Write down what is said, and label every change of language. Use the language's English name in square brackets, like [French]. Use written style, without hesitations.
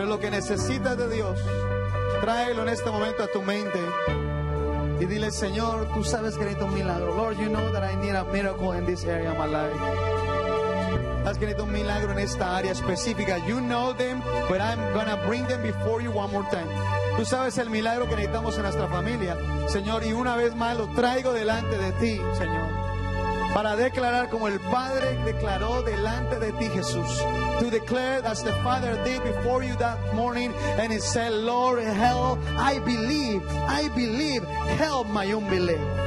[Spanish] Necesitas de Dios, tráelo en este momento a tu mente y dile: Señor, tú sabes que necesito un milagro. [English] Lord, you know that I need a miracle in this area of my life. [Spanish] Has que necesito un milagro en esta área específica. [English] You know them, but I'm gonna bring them before you one more time. [Spanish] Tú sabes el milagro que necesitamos en nuestra familia, Señor, y una vez más lo traigo delante de ti, Señor, para declarar como el Padre declaró delante de ti, Jesús. [English] To declare as the Father did before you that morning, and he said, Lord, help, I believe, help my unbelief.